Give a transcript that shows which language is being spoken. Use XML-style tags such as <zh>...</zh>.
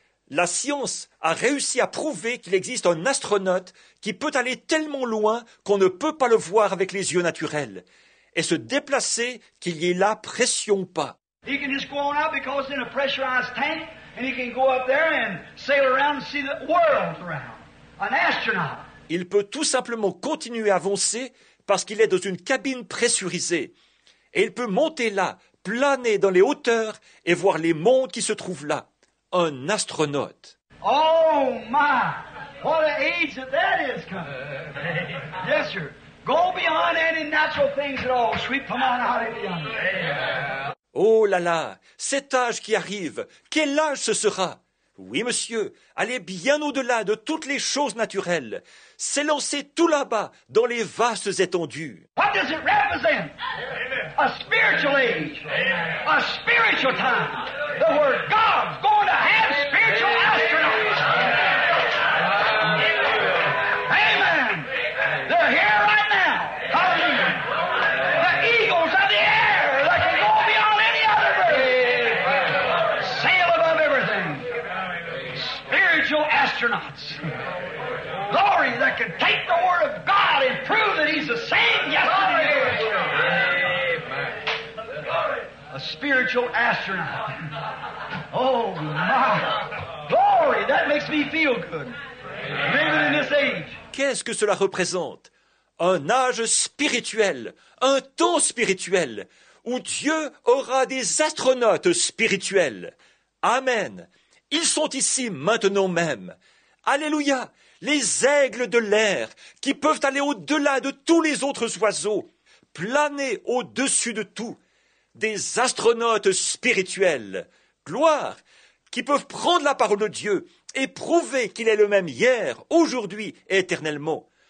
<fr>La science a réussi à prouver qu'il existe un astronaute qui peut aller tellement loin qu'on ne peut pas le voir avec les yeux naturels, et se déplacer qu'il y ait là pression ou pas.</fr> <en>He can just go on out because in a pressurized tank, and he can go up there and sail around and see the world around. An astronaut.</en> <fr>Il peut tout simplement continuer à avancer parce qu'il est dans une cabine pressurisée. Et il peut monter là, planer dans les hauteurs et voir les mondes qui se trouvent là. Un astronaute.</fr> <en>Oh my! What an age that is coming! Yes, sir. Go beyond any natural things at all. Sweep them on out of beyond.</en> <fr>Oh là là! Cet âge qui arrive, quel âge ce sera? Oui, monsieur, aller bien au-delà de toutes les choses naturelles. S'élancer tout là-bas, dans les vastes étendues.</fr> <en>What does it represent? Amen. A spiritual age. Amen. A spiritual time. The word God's going to have spiritual astronauts. Amen. Amen. They're here right now. Hallelujah. The eagles of the air that can go beyond any other bird. Sail above everything. Spiritual astronauts. Glory that can take the word of God and prove that he's the same yesterday. Amen. A spiritual astronaut. Oh my. Glory, that makes me feel good. Living in this age.</en> <fr>Qu'est-ce que cela représente? Un âge spirituel, un temps spirituel, où Dieu aura des astronautes spirituels. Amen. Ils sont ici maintenant même. Alléluia. Les aigles de l'air qui peuvent aller au-delà de tous les autres oiseaux, planer au-dessus de tout, des astronautes spirituels, gloire, qui peuvent prendre la parole de Dieu et prouver qu'il est le même hier, aujourd'hui et éternellement.</fr>